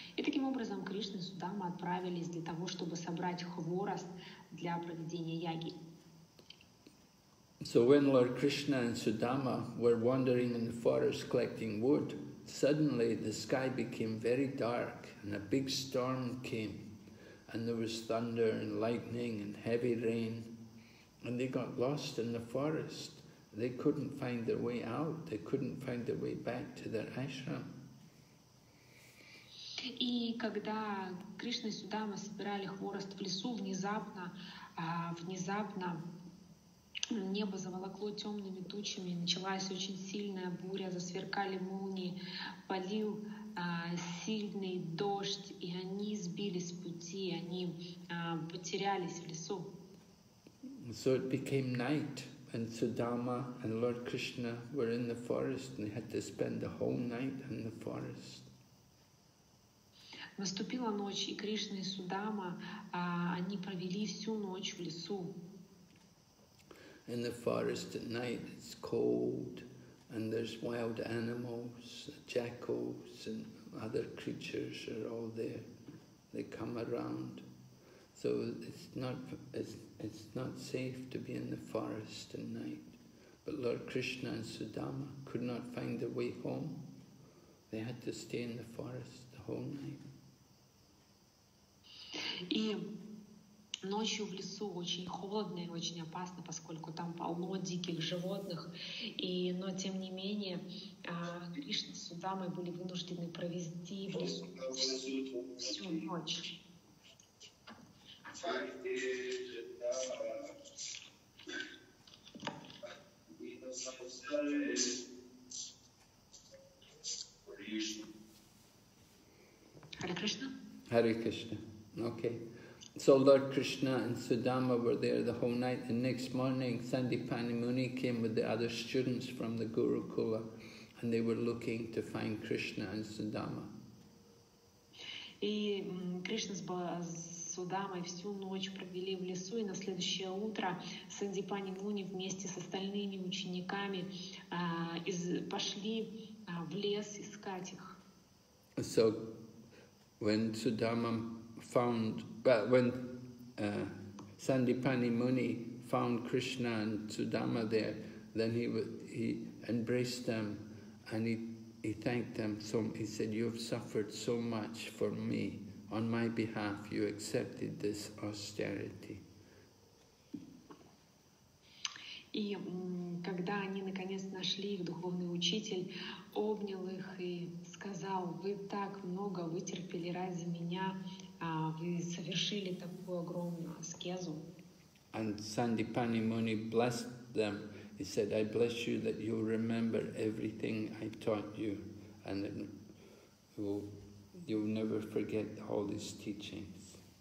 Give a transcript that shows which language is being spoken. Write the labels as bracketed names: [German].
[Russian] И таким образом Кришна и Судама отправились для того, чтобы собрать хворост для проведения яги. [English] So when Lord Krishna and Sudama were wandering in the forest collecting wood, suddenly the sky became very dark and a big storm came, and there was thunder and lightning and heavy rain, and they got lost in the forest. They couldn't find their way out. They couldn't find their way back to their ashram. [Russian] И когда Кришна и Судама собирали хворост в лесу, внезапно небо заволокло темными тучами, началась очень сильная буря, засверкали молнии, полил сильный дождь, и они сбились с пути, они потерялись в лесу. [English] So it became night. And Sudama and Lord Krishna were in the forest, and they had to spend the whole night in the forest. [Russian] Наступила ночь, и Кришна и Судама, они провели всю ночь в лесу. [English] In the forest at night, it's cold, and there's wild animals, jackals and other creatures are all there. They come around. So it's not safe to be in the forest at night. But Lord Krishna and Sudama could not find their way home. They had to stay in the forest the whole night. [Russian] И ночью в лесу очень холодно и очень опасно, поскольку там полно диких животных. Но тем не менее, Кришна с Судамой были вынуждены провести в лесу всю ночь. [English] Hare Krishna. Okay. So Lord Krishna and Sudama were there the whole night, and next morning Sandipani Muni came with the other students from the Gurukula, and they were looking to find Krishna and Sudama. [Russian] И Кришна с Судамой всю ночь провели в лесу, и на следующее утро Сандипани Муни вместе с остальными учениками пошли в лес искать их. [English] So when Sudama found, when Sandipani Muni found Krishna and Sudama there, then he embraced them and he thanked them. So he said, "You have suffered so much for me. On my behalf, you accepted this austerity." [Russian] И когда они наконец нашли их, духовный учитель обнял их и сказал: "Вы так много вытерпели ради меня, вы совершили такую огромную аскезу." [English] And Sandipani Muni blessed them. He said, "I bless you that you remember everything I taught you, and that you'll never forget all these teachings."